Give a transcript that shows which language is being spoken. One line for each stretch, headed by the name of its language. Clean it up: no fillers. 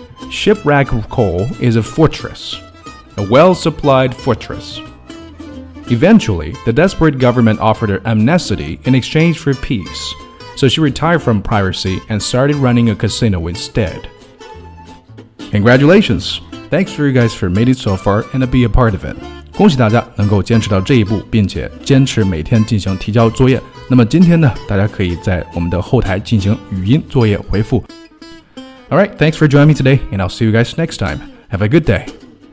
English: Shipwreck of Coal is a fortress, a well-supplied fortress. Eventually, the desperate government offered her amnesty in exchange for peace, so she retired from piracy and started running a casino instead. Congratulations! Thanks for you guys for made it so far and be a part of it.
Chinese: 恭喜大家能够坚持到这一步，并且坚持每天进行提交作业。那么今天呢，大家可以在我们的后台进行语音作业回复。
English: Alright, thanks for joining me today, and I'll see you guys next time. Have a good day!